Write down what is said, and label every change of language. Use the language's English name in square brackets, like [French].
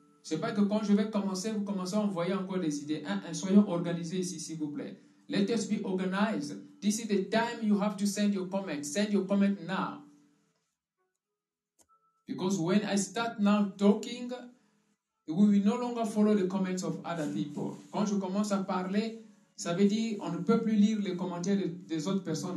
[French] C'est pas que quand je vais commencer, vous commencez à envoyer encore des idées. Hein? Soyons organisés ici, s'il vous plaît. [English] Let us be organized. This is the time you have to send your comment. Send your comment now. Because when I start now talking, we will no longer follow the comments of other people. [French] Quand je commence à parler, ça veut dire on ne peut plus lire les commentaires des autres personnes.